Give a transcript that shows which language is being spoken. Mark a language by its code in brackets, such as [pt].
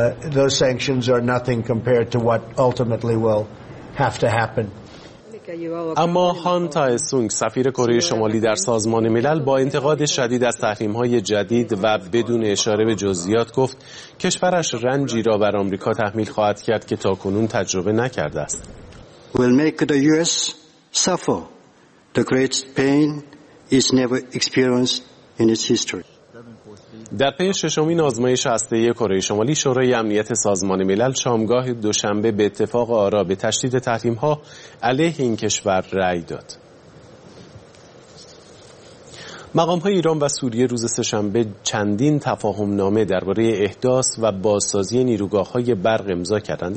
[en] Those sanctions are nothing compared to what ultimately will have to happen. [fa] اما هان تای سونگ سفیر کره شمالی در سازمان ملل با انتقاد شدید از تحریم‌های جدید و بدون اشاره به جزئیات گفت کشورش رنجی را بر آمریکا تحمیل خواهد کرد که تاکنون تجربه نکرده است. [en] Will make the US suffer the great pain it's never experienced in its history. [fa] در پی ششمین آزمایش هسته‌ای کره شمالی، شورای امنیت سازمان ملل شامگاه دوشنبه به اتفاق آرا به تشدید تحریم‌ها علیه این کشور رأی داد. مقام‌های ایران و سوریه روز سه‌شنبه چندین تفاهم‌نامه درباره احداث و بازسازی نیروگاه‌های برق امضا کردند.